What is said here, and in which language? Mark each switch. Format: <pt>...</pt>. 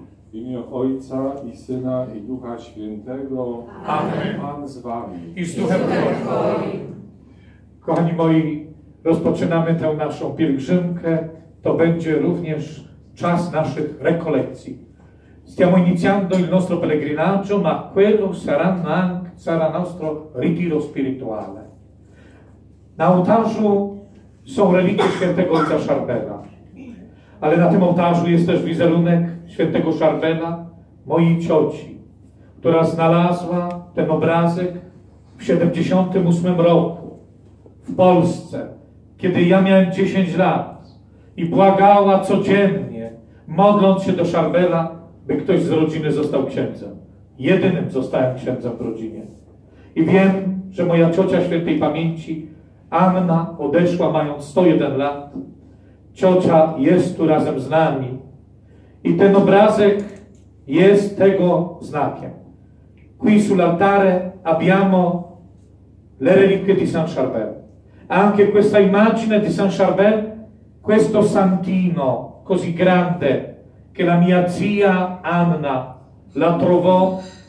<pl>W imię Ojca i Syna i Ducha Świętego. Amen. Pan z wami. I z Duchem Twoim. Kochani moi, rozpoczynamy tę naszą pielgrzymkę. To będzie również czas naszych rekolekcji.</pl> <it>Stiamo iniziando il nostro pellegrinaggio, ma quello sarà nostro ritiro spirituale.</it> <pl>Na ołtarzu są relikwie świętego ojca Szarbena, ale na tym ołtarzu jest też wizerunek świętego Szarbena, mojej cioci, która znalazła ten obrazek w 78 roku. W Polsce, kiedy ja miałem 10 lat i błagała codziennie, modląc się do Szarbela, by ktoś z rodziny został księdzem. Jedynym zostałem księdzem w rodzinie. I wiem, że moja ciocia świętej pamięci, Anna, odeszła mając 101 lat. Ciocia jest tu razem z nami. I ten obrazek jest tego znakiem.</pl> <it>Qui sull'altare abbiamo le reliquie di San Charbel. Anche questa immagine di San Charbel, questo santino così grande che la mia zia Anna la trovò</it>